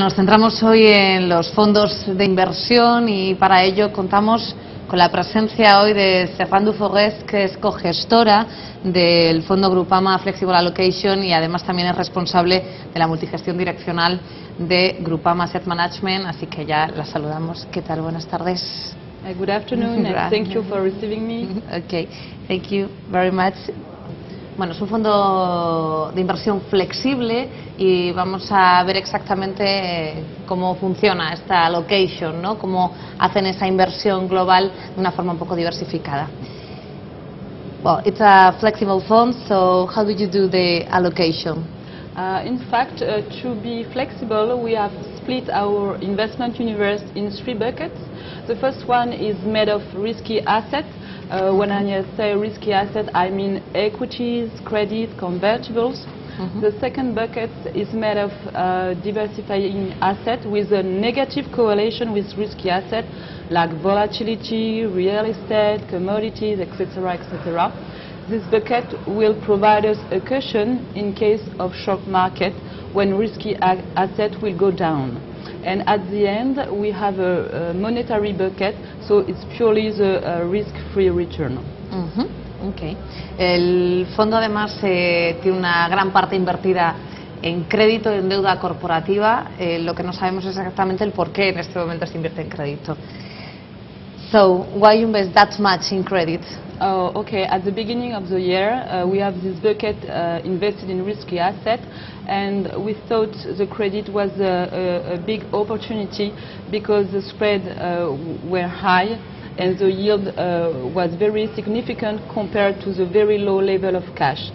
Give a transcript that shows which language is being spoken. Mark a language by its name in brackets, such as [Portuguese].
[Spanish] Nos centramos hoy en los fondos de inversión y para ello contamos con la presencia hoy de Stéphane Dufaugues, que es cogestora del fondo Groupama Flexible Allocation y además también es responsable de la multigestión direccional de Groupama Asset Management, así que ya la saludamos. ¿Qué tal? Buenas tardes. [English] Good afternoon and thank you for receiving me. Okay, thank you very much. [Spanish] Bueno, es un fondo de inversión flexible y vamos a ver exactamente cómo funciona esta allocation, ¿no? Cómo hacen esa inversión global de una forma un poco diversificada. [English] Well, it's a flexible fund, so how do you do the allocation? In fact, to be flexible, we have split our investment universe in three buckets. The first one is made of risky assets. When I say risky asset, I mean equities, credit, convertibles. Mm-hmm. The second bucket is made of diversifying asset with a negative correlation with risky asset, like volatility, real estate, commodities, etc., etc. This bucket will provide us a cushion in case of short market when risky asset will go down. And at the end, we have a monetary bucket, so it's purely the risk-free return. Mm-hmm. Okay. [Spanish] El fondo además tiene una gran parte invertida en crédito y en deuda corporativa. Lo que no sabemos es exactamente el por qué en este momento se invierte en crédito. [English] So, why you invest that much in credit? Oh, okay. At the beginning of the year, we have this bucket invested in risky asset, and we thought the credit was a big opportunity because the spread were high and the yield was very significant compared to the very low level of cash.